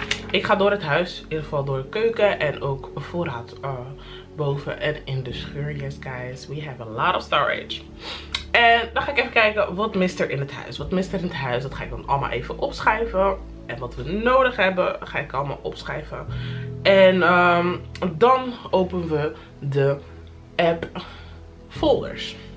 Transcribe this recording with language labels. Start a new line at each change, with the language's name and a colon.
Dutch: Ik ga door het huis, in ieder geval door de keuken en ook voorraad boven en in de schuur.
English: Yes guys, we have a lot of storage.
Dutch: En dan ga ik even kijken, wat mist er in het huis? Wat mist er in het huis? Dat ga ik dan allemaal even opschrijven. En wat we nodig hebben, ga ik allemaal opschrijven. En dan openen we de app folders.